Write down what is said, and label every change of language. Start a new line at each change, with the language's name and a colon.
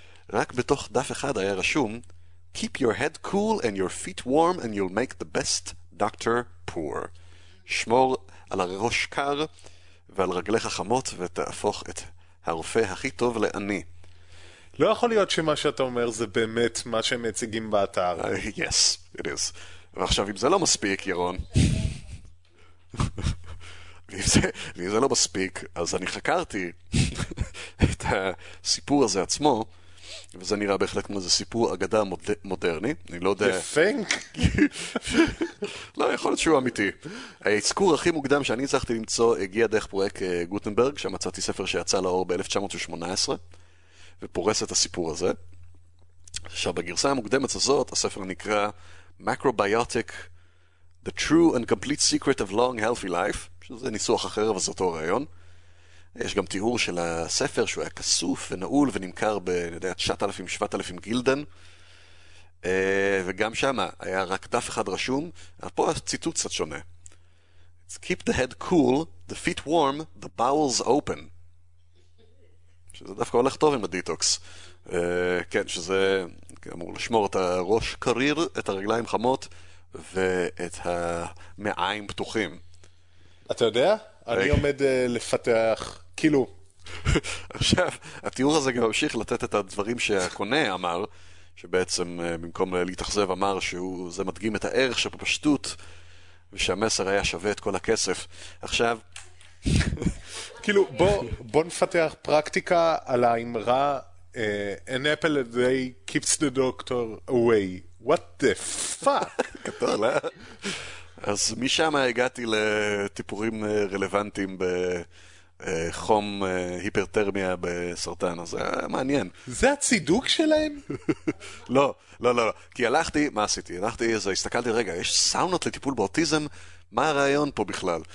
Hebrew: ורק בתוך דף אחד היה רשום
English: Keep your head cool and your feet warm and you'll make the best doctor poor.
Hebrew: שמור על הראש קר ועל רגליך חמות ותהפוך את הרופא הכי טוב לעני. לא יכול להיות שמה שאתה אומר זה באמת מה שהם מציגים באתר.
English: Yes, it is.
Hebrew: ועכשיו אם זה לא מספיק, ירון, ואם זה לא מספיק, אז אני חקרתי את הסיפור הזה עצמו, וזה נראה בהחלט כמו איזה סיפור אגדה מודרני, אני לא יודע... דפנק? לא, יכול להיות שהוא אמיתי. ההזכור הכי מוקדם שאני הצלחתי למצוא הגיע דרך פרויקט גוטנברג, שמצאתי ספר שיצא לאור ב-1918, ופורס את הסיפור הזה. עכשיו, בגרסה המוקדמת הזאת, הספר נקרא Macrobiotic, The True and Complete Secret of Long Healthy Life, שזה ניסוח אחר, אבל זה אותו רעיון. יש גם תיאור של הספר שהוא היה כסוף ונעול ונמכר ב, אני יודע, 9,000-7,000 גילדן. וגם שם היה רק דף אחד רשום, אבל פה הציטוט קצת שונה.
English: It's keep the head cool, the feet warm, the bowels open.
Hebrew: שזה דווקא הולך טוב עם הדיטוקס. כן, שזה אמור לשמור את הראש קריר, את הרגליים חמות ואת המעיים פתוחים. אתה יודע? אני עומד לפתח, כאילו. עכשיו, התיאור הזה גם ממשיך לתת את הדברים שהקונה אמר, שבעצם במקום להתאכזב אמר שזה מדגים את הערך שבפשטות, ושהמסר היה שווה את כל הכסף. עכשיו, כאילו, בוא נפתח פרקטיקה על האמרה,
English: an apple a day keeps the doctor away. What the fuck?
Hebrew: גדול, אה? אז משם הגעתי לטיפורים רלוונטיים בחום היפרטרמיה בסרטן, אז זה מעניין. זה הצידוק שלהם? לא, לא, לא, לא. כי הלכתי, מה עשיתי? הלכתי, אז הסתכלתי, רגע, יש סאונות לטיפול באוטיזם? מה הרעיון פה בכלל?